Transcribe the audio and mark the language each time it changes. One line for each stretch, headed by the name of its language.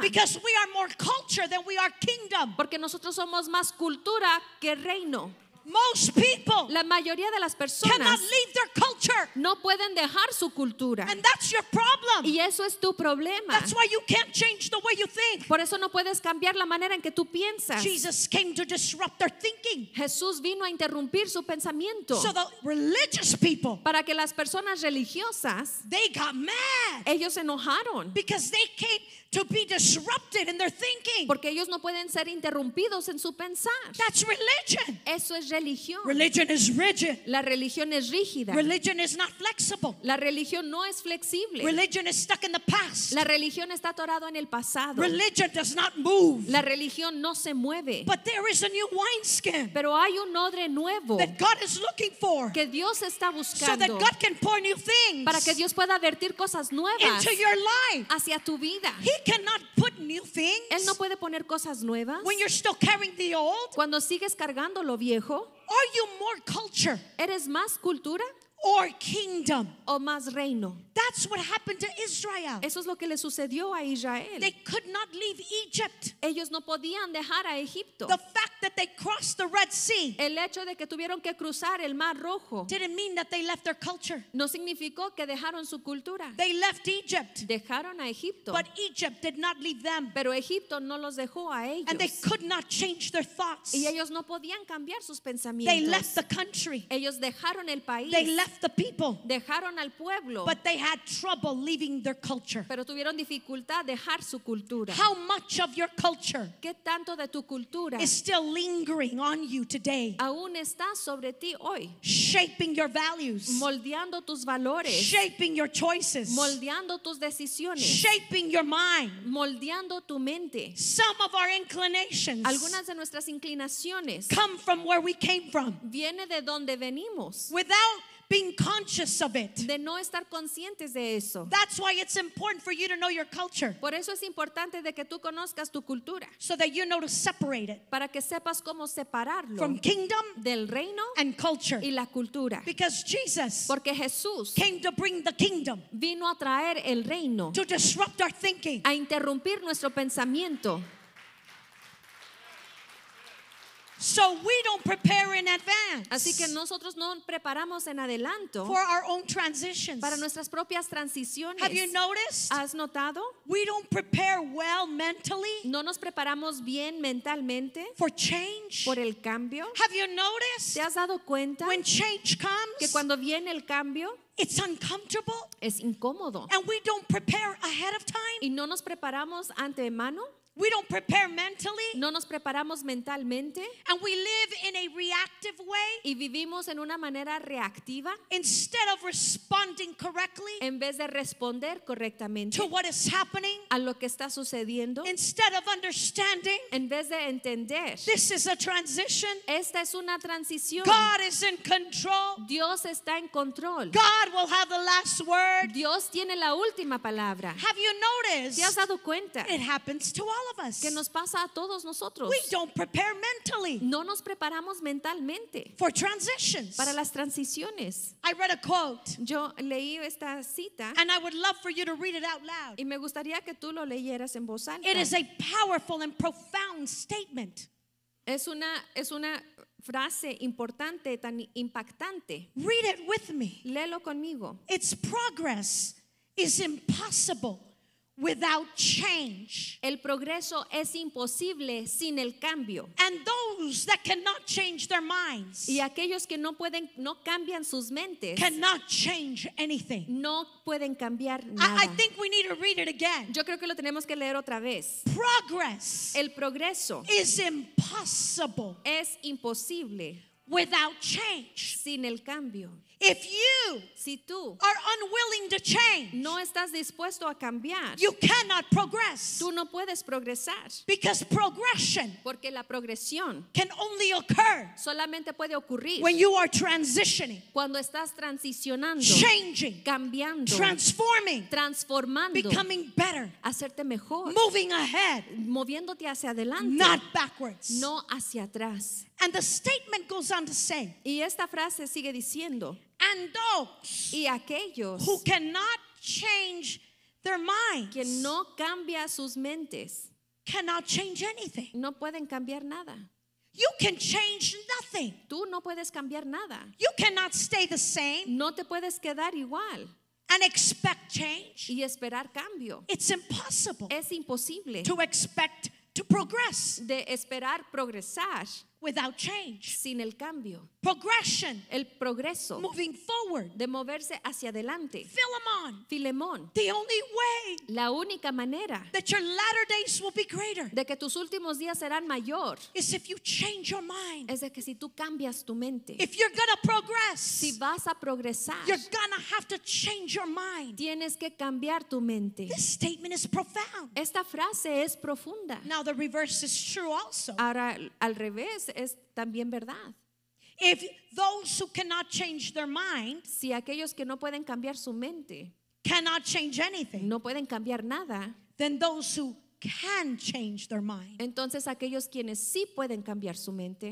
English: Because we are more culture than we are kingdom.
Spanish: Porque nosotros somos más cultura que reino.
English: Most people,
Spanish: la mayoría de las personas,
English: cannot leave their culture.
Spanish: No pueden dejar su cultura.
English: And that's your problem.
Spanish: Y eso es tu problema.
English: That's why you can't change the way you think.
Spanish: Por eso no puedes cambiar la manera en que tú piensas.
English: Jesus came to disrupt their thinking.
Spanish: Jesús vino a interrumpir su pensamiento.
English: So the religious people,
Spanish: para que las personas religiosas,
English: they got mad.
Spanish: Ellos se enojaron.
English: Because they came to be disrupted in their thinking.
Spanish: Porque ellos no pueden ser interrumpidos en su pensar.
English: That's religion.
Spanish: Eso es religión.
English: Religion is rigid.
Spanish: La religión es rígida.
English: Religion is not flexible.
Spanish: La religión no es flexible.
English: Religion is stuck in the past.
Spanish: La religión está atorada en el pasado.
English: Religion does not move.
Spanish: La religión no se mueve.
English: But there is a new wineskin.
Spanish: Pero hay un odre nuevo.
English: That God is looking for.
Spanish: Que Dios está buscando.
English: So that God can pour new things.
Spanish: Para que Dios pueda vertir cosas nuevas.
English: Into your life.
Spanish: Hacia tu vida.
English: He cannot put new things.
Spanish: Él no puede poner cosas nuevas.
English: When you're still carrying the old.
Spanish: Cuando sigues cargando lo viejo.
English: Are you more culture?
Spanish: ¿Eres más cultura?
English: Or kingdom?
Spanish: O más reino.
English: That's what happened to Israel.
Spanish: Eso es lo que le sucedió a Israel.
English: They could not leave Egypt.
Spanish: Ellos no podían dejar a Egipto.
English: The fact that they crossed the Red Sea.
Spanish: El hecho de que tuvieron que cruzar el Mar Rojo.
English: Didn't mean that they left their culture.
Spanish: No significó que dejaron su cultura.
English: They left Egypt.
Spanish: Dejaron a Egipto.
English: But Egypt did not leave them.
Spanish: Pero Egipto no los dejó a ellos.
English: And they could not change their thoughts.
Spanish: Y ellos no podían cambiar sus pensamientos.
English: They left the country.
Spanish: Ellos dejaron el país.
English: They left the people.
Spanish: Dejaron al pueblo.
English: But they had trouble leaving their culture.
Spanish: Pero tuvieron dificultad dejar su cultura.
English: How much of your culture?
Spanish: ¿Qué tanto de tu cultura?
English: Is still lingering on you today.
Spanish: Aún está sobre ti hoy.
English: Shaping your values.
Spanish: Moldeando tus valores.
English: Shaping your choices.
Spanish: Moldeando tus decisiones.
English: Shaping your mind.
Spanish: Moldeando tu mente.
English: Some of our inclinations.
Spanish: Algunas de nuestras inclinaciones.
English: Come from where we came from.
Spanish: Viene de donde venimos.
English: Without being conscious of it.
Spanish: De no estar conscientes de eso.
English: That's why it's important for you to know your culture.
Spanish: Por eso es importante de que tú conozcas tu cultura.
English: So that you know to separate it.
Spanish: Para que sepas cómo separarlo.
English: From kingdom
Spanish: del reino
English: and culture.
Spanish: Y la cultura.
English: Because Jesus,
Spanish: porque Jesús,
English: came to bring the kingdom.
Spanish: Vino a traer el reino.
English: To disrupt our thinking.
Spanish: A interrumpir nuestro pensamiento.
English: So we don't prepare in advance.
Spanish: Así que nosotros no preparamos en adelanto.
English: For our own transitions.
Spanish: Para nuestras propias transiciones.
English: Have you noticed?
Spanish: ¿Has notado?
English: We don't prepare well mentally.
Spanish: No nos preparamos bien mentalmente.
English: For change.
Spanish: Por el cambio.
English: Have you noticed?
Spanish: ¿Te has dado cuenta?
English: When change comes.
Spanish: Que cuando viene el cambio.
English: It's uncomfortable.
Spanish: Es incómodo.
English: And we don't prepare ahead of time.
Spanish: Y no nos preparamos antemano.
English: We don't prepare mentally.
Spanish: No nos preparamos mentalmente.
English: And we live in a reactive way.
Spanish: Y vivimos en una manera reactiva.
English: Instead of responding correctly.
Spanish: En vez de responder correctamente.
English: To what is happening.
Spanish: A lo que está sucediendo.
English: Instead of understanding.
Spanish: En vez de entender.
English: This is a transition.
Spanish: Esta es una transición.
English: God is in control.
Spanish: Dios está en control.
English: God will have the last word.
Spanish: Dios tiene la última palabra.
English: Have you noticed?
Spanish: ¿Te has dado cuenta?
English: It happens to all of us.
Spanish: Que nos pasa a todos nosotros.
English: We don't prepare mentally.
Spanish: No nos preparamos mentalmente.
English: For transitions.
Spanish: Para las transiciones.
English: I read a quote.
Spanish: Yo leí esta cita.
English: And I would love for you to read it out loud.
Spanish: Y me gustaría que tú lo leyeras en voz alta.
English: It is a powerful and profound statement.
Spanish: Es una frase importante, tan impactante.
English: Read it with me.
Spanish: Léelo conmigo.
English: Its progress is impossible. Without change.
Spanish: El progreso es imposible sin el cambio.
English: And those that cannot change their minds.
Spanish: Y aquellos que no pueden, no cambian sus mentes.
English: Cannot change anything.
Spanish: No pueden cambiar nada.
English: I think we need to read it again.
Spanish: Yo creo que lo tenemos que leer otra vez.
English: Progress.
Spanish: El progreso.
English: Is impossible.
Spanish: Es imposible.
English: Without change.
Spanish: Sin el cambio.
English: If you
Spanish: si tú
English: are unwilling to change,
Spanish: no estás dispuesto a cambiar,
English: you cannot progress.
Spanish: Tú no puedes progresar.
English: Because progression,
Spanish: porque la progresión,
English: can only occur
Spanish: solamente puede ocurrir
English: when you are transitioning,
Spanish: cuando estás transicionando,
English: changing,
Spanish: cambiando,
English: transforming,
Spanish: transformando,
English: becoming better,
Spanish: hacerte mejor,
English: moving ahead,
Spanish: moviéndote hacia adelante,
English: not backwards,
Spanish: no hacia atrás.
English: And the statement goes on to say,
Spanish: y esta frase sigue diciendo,
English: and those
Spanish: y aquellos
English: who cannot change their minds,
Spanish: que no cambia sus mentes,
English: cannot change anything.
Spanish: No pueden cambiar nada.
English: You can change nothing.
Spanish: Tú no puedes cambiar nada.
English: You cannot stay the same.
Spanish: No te puedes quedar igual.
English: And expect change.
Spanish: Y esperar cambio.
English: It's impossible.
Spanish: Es imposible.
English: To expect to progress.
Spanish: De esperar progresar.
English: Without change.
Spanish: Sin el cambio.
English: Progression.
Spanish: El progreso.
English: Moving forward.
Spanish: De moverse hacia adelante.
English: Philemon.
Spanish: Filemón.
English: The only way.
Spanish: La única manera.
English: That your latter days will be greater.
Spanish: De que tus últimos días serán mayor.
English: Is if you change your mind.
Spanish: Es de que si tú cambias tu mente.
English: If you're gonna progress.
Spanish: Si vas a progresar.
English: You're gonna have to change your mind.
Spanish: Tienes que cambiar tu mente.
English: This statement is profound.
Spanish: Esta frase es profunda.
English: Now the reverse is true also.
Spanish: Ahora al revés. Es también verdad.
English: If those who cannot change their mind,
Spanish: si aquellos que no pueden cambiar su mente,
English: cannot change anything,
Spanish: no pueden cambiar nada,
English: then those who can change their mind,
Spanish: entonces aquellos quienes sí pueden cambiar su mente,